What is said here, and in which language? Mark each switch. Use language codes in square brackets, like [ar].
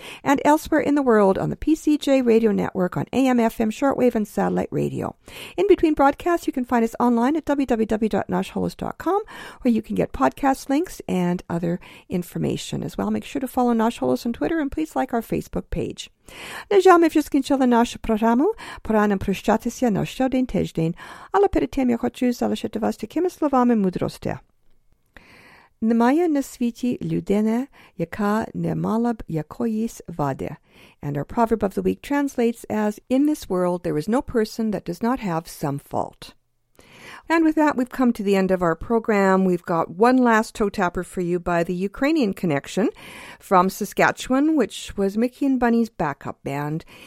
[en] And elsewhere in the world on the PCJ Radio Network on AM, FM, shortwave, and satellite radio. In between broadcasts, you can find us online at www.noshholos.com, where you can get podcast links and other information as well. Make sure to follow Nash Holos on Twitter and please like our Facebook page. [uk] Нажам, я вже скінчила нашу програму. Пора нам прощатися на ще один тиждень. Але перед тим я хочу залишити вас такими словами мудрості. Немає на світі людини, яка не мала б якоїсь вади. [en] And our proverb of the week translates as, in this world, there is no person that does not have some fault. And with that, we've come to the end of our program. We've got one last toe tapper for you by the Ukrainian Connection from Saskatchewan, which was Mickey and Bunny's backup band.